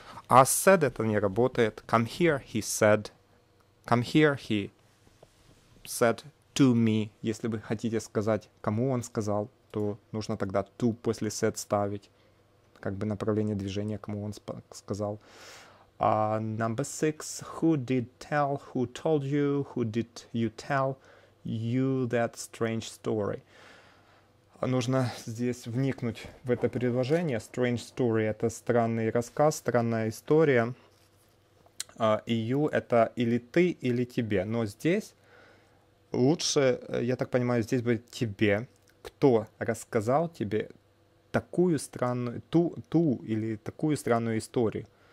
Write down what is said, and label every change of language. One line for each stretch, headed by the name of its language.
English: А said
Russian: это не работает.
English: Come here, he said. Come here, he said to me.
Russian: Если вы хотите сказать, кому он сказал, то нужно тогда to после said ставить. Как бы направление движения, кому он сказал.
English: Number six, who did tell, who told you, who did you tell you that strange story?
Russian: Нужно здесь вникнуть в это предложение.
English: Strange story
Russian: — это странный рассказ, странная история. И you — это или ты, или тебе. Но здесь лучше, я так понимаю, здесь будет тебе. Кто рассказал тебе такую странную, ту или такую странную историю?